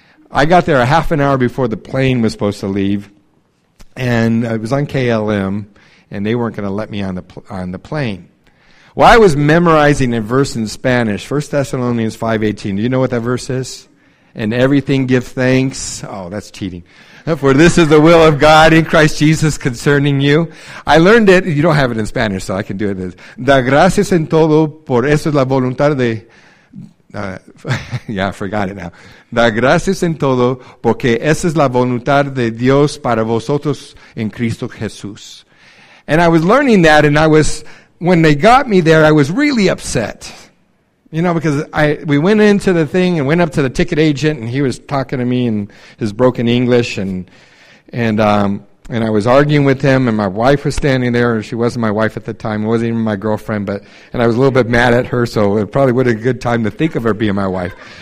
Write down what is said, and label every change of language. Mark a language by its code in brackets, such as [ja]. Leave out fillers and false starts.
[en] I got there a half an hour before the plane was supposed to leave, and it was on KLM, and they weren't going to let me on the plane. Well, I was memorizing a verse in Spanish, 1 Thessalonians 5:18. Do you know what that verse is? And everything give thanks. Oh, that's cheating. For this is the will of God in Christ Jesus concerning you. I learned it. You don't have it in Spanish, so I can do it. [es] Da gracias en todo, por eso es la voluntad de... yeah, I forgot it now. Da gracias en todo, porque esa es la voluntad de Dios para vosotros en Cristo Jesús. [en] And I was learning that, and I was, when they got me there, I was really upset. You know, because we went into the thing and went up to the ticket agent, and he was talking to me in his broken English, and I was arguing with him, and my wife was standing there, and she wasn't my wife at the time, wasn't even my girlfriend, and I was a little bit mad at her, so it probably would have been a good time to think of her being my wife.